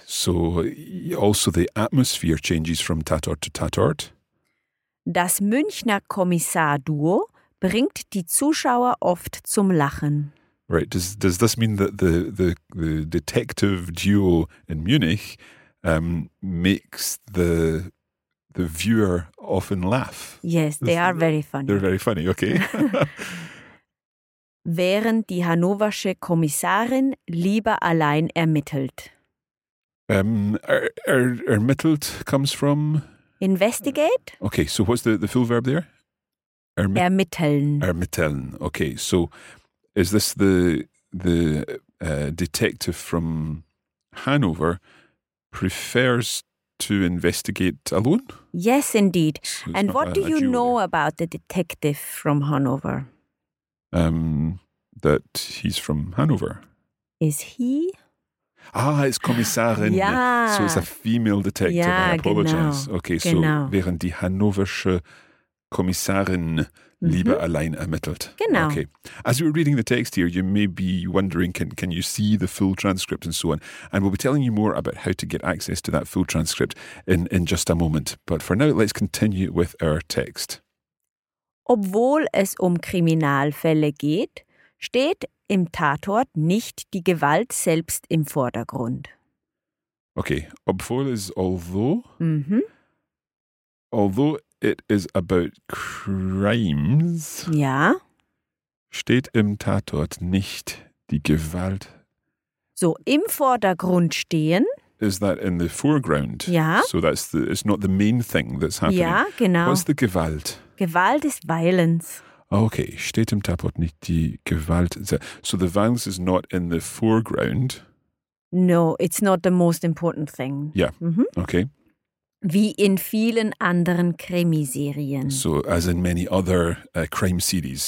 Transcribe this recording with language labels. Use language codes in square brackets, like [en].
[en] So also the atmosphere changes from Tatort to Tatort. [de] Das Münchner Kommissar-Duo bringt die Zuschauer oft zum Lachen. [en] Right. Does this mean that the detective duo in Munich makes the viewer often laugh? Yes, they are very funny. They're very funny, okay. [de] Während die hannoversche Kommissarin lieber allein ermittelt. [en] Ermittelt comes from? Investigate. Okay, so what's the full verb there? [de] Ermitteln. Ermitteln, okay. [en] So is this the detective from Hanover prefers to investigate alone? Yes, indeed. So and what do you know about the detective from Hanover? That he's from Hanover. Is he? Ah, it's Kommissarin. [de] Ja. [en] So it's a female detective. [de] Ja, [en] I apologize. [de] Genau. [en] Okay, [de] genau. So während die hannoversche Kommissarin, mm-hmm, lieber allein ermittelt. Genau. [en] Okay. As we're reading the text here, you may be wondering, can you see the full transcript and so on? And we'll be telling you more about how to get access to that full transcript in just a moment. But for now, let's continue with our text. [de] Obwohl es Kriminalfälle geht, steht im Tatort nicht die Gewalt selbst im Vordergrund. [en] Okay. Obwohl es although? Mm-hmm. Although it is about crimes. [de] Ja. Steht im Tatort nicht die Gewalt. So, im Vordergrund stehen. [en] Is that in the foreground? [de] Ja. [en] So that's it's not the main thing that's happening. [de] Ja, genau. [en] What's the Gewalt? Gewalt is violence. [de] Okay, steht im Tatort nicht die Gewalt. [en] So the violence is not in the foreground. No, it's not the most important thing. Yeah, mm-hmm. Okay. [de] Wie in vielen anderen Krimiserien. [en] So as in many other crime series.